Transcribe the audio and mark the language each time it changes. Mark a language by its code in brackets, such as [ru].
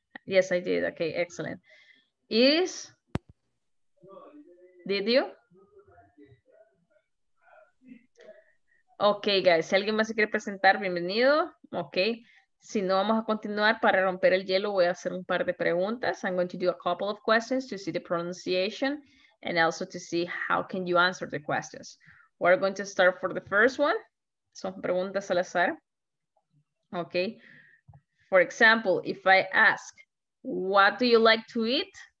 [en] Yes, I did. Okay, excellent. Iris? Did you? Okay, guys, [es] si alguien más se quiere presentar, bienvenido. Okay, si no, vamos a continuar. Para romper el hielo, voy a hacer un par de preguntas. [en] I'm going to do a couple of questions to see the pronunciation and also to see how can you answer the questions. We're going to start for the first one. [es] Son preguntas al azar. [en] Okay, for example, if I ask, what do you like to eat?